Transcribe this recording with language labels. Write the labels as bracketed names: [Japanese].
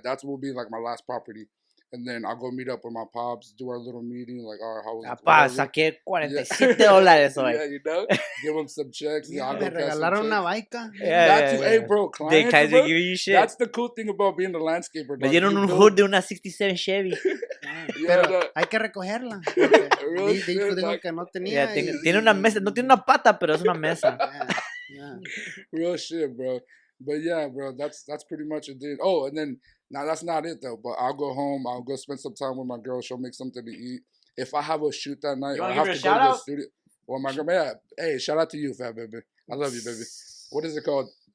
[English] that will be like my last property. And then I'll go meet up with my pops, do our little meeting, like, all right, how was it? [Spanish] Papá, saqué $47 hoy. [English] Yeah, you know? Give them some checks. [Spanish] Yeah, me regalaron una bica. [English] Hey, bro, clients, they kind of give you shit. That's the cool thing about being the landscaper. [Spanish] Me dieron un hood de una 67 Chevy. Pero hay que recogerla. [English] Real shit, [Spanish] dijo que no tenía. Yeah, tiene una mesa. No tiene una pata, pero es una mesa. [English] Real shit, bro. But yeah, bro, that's pretty much it. Oh, and then, now that's not it though. But I'll go home. I'll go spend some time with my girl. She'll make something to eat. If I have a shoot that night, I have to go to the studio. Well, my girl, man, hey, shout out to you, fat baby. I love you, baby. What is it called?